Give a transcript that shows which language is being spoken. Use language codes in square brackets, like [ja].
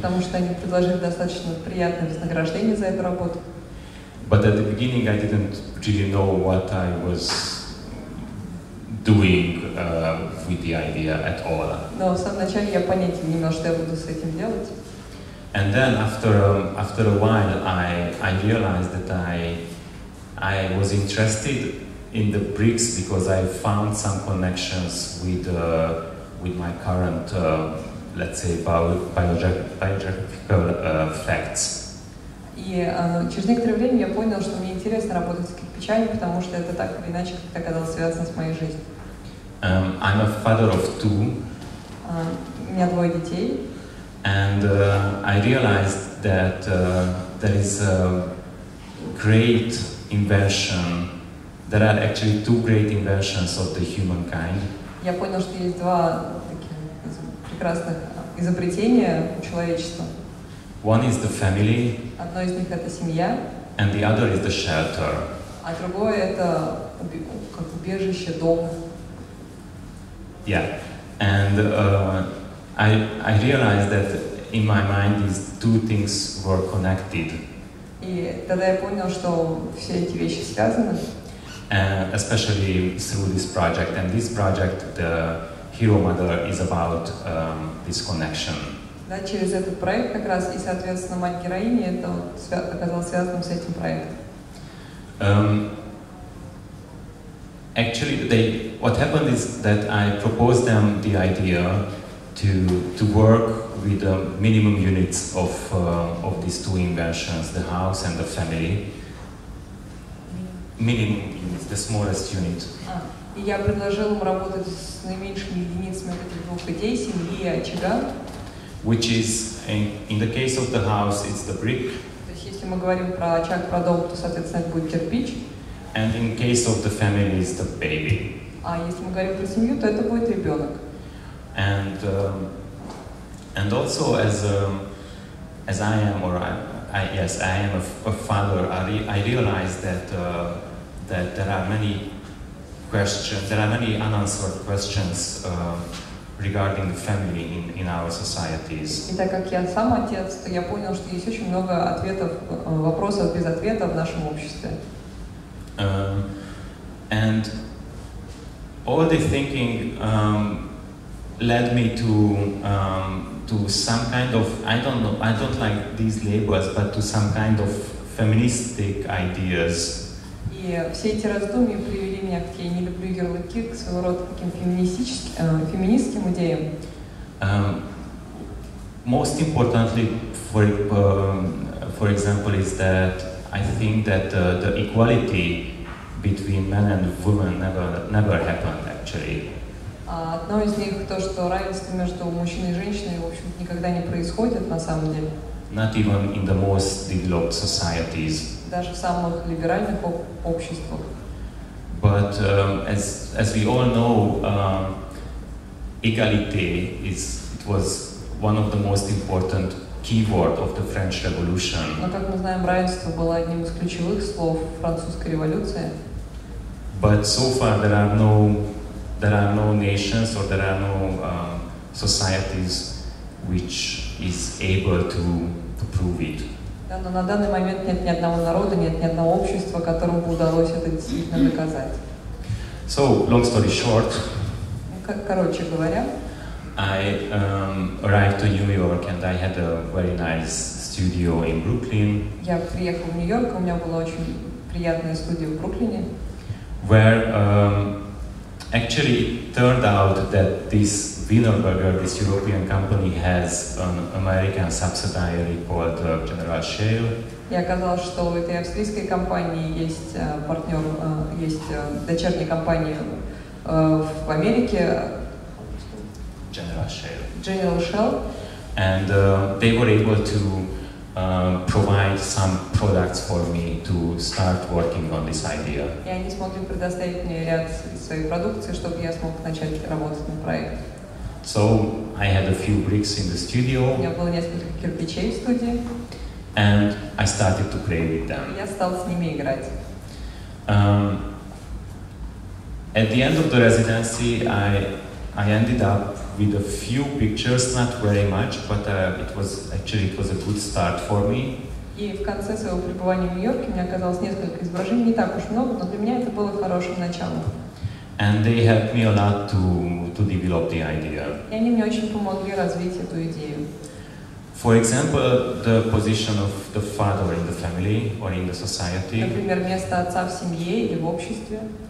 [ru] Потому что они предложили достаточно приятное вознаграждение за эту работу. [en] But at the beginning I didn't really know what I was doing with the idea at all. [ru] Но в самом начале я понятия не имел, что я буду с этим делать. [en] And then after a while I realized that I was interested in the bricks because I found some connections with my current let's say biographical facts. [ru] И через некоторое время я понял, что мне интересно работать с кирпичами, потому что это так или иначе как-то оказалось связано с моей жизнью. [en] I'm a father of two. [ru] У меня двое детей. [en] And I realized that there is a great invention. There are actually two great inventions of the humankind. [ru] Я понял, что есть два таких прекрасных изобретения у человечества. [en] One is the family. [ru] Одно из них это семья. [en] And the other is the shelter. [ru] А другое это как убежище, дом. [en] Yeah, and I realized that in my mind these two things were connected. [ru] И тогда я понял, что все эти вещи связаны. [en] Especially through this project, and this project, the Hero Mother is about this connection. [ru] Да, через этот проект как раз и, соответственно, мать героини это оказалось связанным с этим проектом. [en] Actually, what happened is that I proposed them the idea to work with the minimum units of these two inventions, the house and the family. Minimum units, the smallest unit. [ru] И я предложил им работать с наименьшими единицами этих двух идей, семьи и очага. [en] Which is in the case of the house, it's the brick. [ru] То есть, если мы говорим про очаг, про дом, то соответственно это будет кирпич. [en] And in case of the family, it's the baby. [ru] А если мы говорим про семью, то это будет ребенок. [en] And also as I am, or I am a father, I realize that that there are many questions, there are many unanswered questions regarding the family in our societies. [ru] И так как я сам отец, то я понял, что есть очень много ответов, вопросов без ответа в нашем обществе. [en] And all the thinking led me to some kind of, I don't like these labels, but to some kind of feministic ideas. [ru] И все эти раздумья привели меня к тем, я не люблю ярлыки, к своего рода таким феминистским идеям. [en] Most importantly, for example, is that I think that the equality between men and women never happened actually. [ru] Одно из них то, что равенство между мужчиной и женщиной, в общем, никогда не происходит на самом деле. [en] Not even in the most developed societies. [ru] Даже в самых либеральных обществах. [en] But as we all know, égalité was one of the most important keyword of the French Revolution. [ru] Но как мы знаем, равенство было одним из ключевых слов французской революции. [en] But so far there are no nations or there are no societies which is able to prove it. [ru] Да, но на данный момент нет ни одного народа, нет ни одного общества, которому бы удалось это действительно доказать. [en] So, long story short. [ru] Короче говоря. [en] I arrived to New York and I had a very nice studio in Brooklyn. [ru] Я приехал в Нью-Йорк, у меня была очень приятная студия в Бруклине. [en] Where actually it turned out that this Wienerberger, this European company, has an American subsidiary called General Shale. [ru] И оказалось, что у этой австрийской компании есть партнер, есть дочерняя компания в Америке. [en] General Shale. And they were able to provide some products for me to start working on this idea. [ru] Я не смог предоставить мне ряд своей продукции, чтобы я смог начать работать на проект. [en] So I had a few bricks in the studio. [ru] У меня было несколько кирпичей в студии. [en] And I started to play with them. [ru] Я стал с ними играть. [en] At the end of the residency, I ended up with a few pictures, not very much, but it was a good start for me. [ru] И в конце своего пребывания в Нью-Йорке мне оказалось несколько изображений, не так уж много, но для меня это было хорошим началом. [en] And they helped me a lot to develop the idea. [ru] И они мне очень помогли развить эту идею. [en] For example, the position of the father in the family or in the society. [ru] Например, место отца в семье или в обществе.